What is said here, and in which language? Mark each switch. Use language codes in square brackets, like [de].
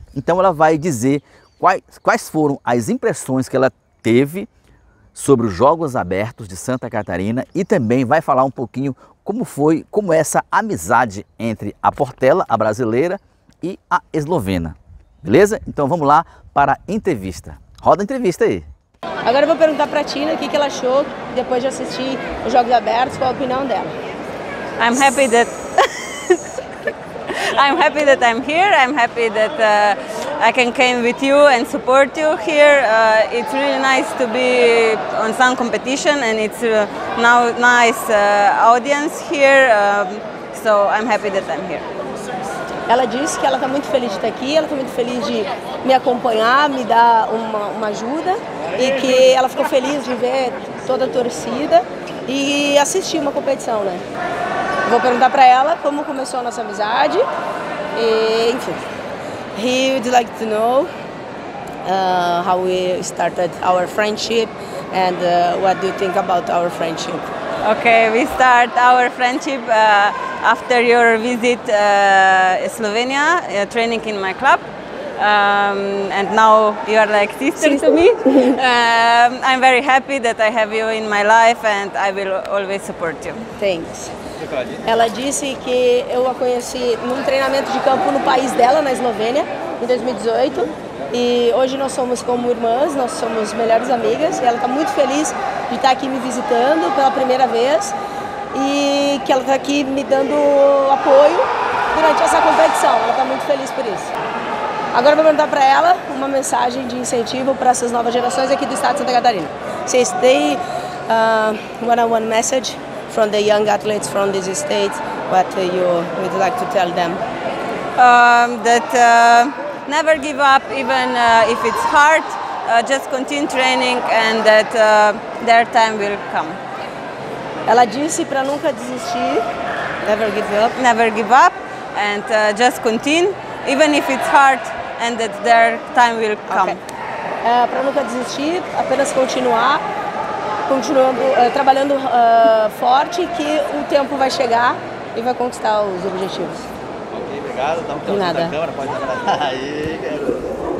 [pt] Então ela vai dizer quais foram as impressões que ela teve sobre os Jogos Abertos de Santa Catarina e também vai falar um pouquinho como essa amizade entre a Portela, a brasileira, e a eslovena. Beleza? Então vamos lá para a entrevista. Roda a entrevista aí. Agora eu vou perguntar para a Tina o que ela achou depois de assistir os Jogos Abertos, qual a opinião dela. [en] I'm happy that I'm happy that I'm here. I'm happy that I can come with you and support you here. It's really nice to be on some competition and it's now nice audience here. So I'm happy that I'm here. [pt] Ela disse que ela está muito feliz de estar aqui, ela está muito feliz de me acompanhar, me dar uma ajuda e que ela ficou feliz de ver toda a torcida e assistir uma competição, né? Vou perguntar para ela como começou a nossa amizade e, enfim. [en] He would like to know how we started our friendship and what do you think about our friendship? Okay, we start our friendship after your visit Slovenia, training in my club, and now you are like sister to me. I'm very happy that I have you in my life and I will always support you. Thanks. [pt] Ela disse que eu a conheci num treinamento de campo no país dela, na Eslovênia, em 2018. E hoje nós somos como irmãs, nós somos melhores amigas. E ela está muito feliz de estar aqui me visitando pela primeira vez. E que ela está aqui me dando apoio durante essa competição. Ela está muito feliz por isso. Agora vou mandar para ela uma mensagem de incentivo para essas novas gerações aqui do estado de Santa Catarina. Vocês têm [en] one-on-one message from the young athletes from this state, what you would like to tell them? That never give up, even if it's hard, just continue training and that their time will come. [pt] Ela disse para nunca desistir. [en] Never give up. And just continue even if it's hard, and that their time will come. Okay. [pt] Para nunca desistir, apenas continuar, continuando trabalhando forte, que o tempo vai chegar e vai conquistar os objetivos. Ok, obrigado. Dá um tempo nada. Na câmera, pode trabalhar. Aí, garoto.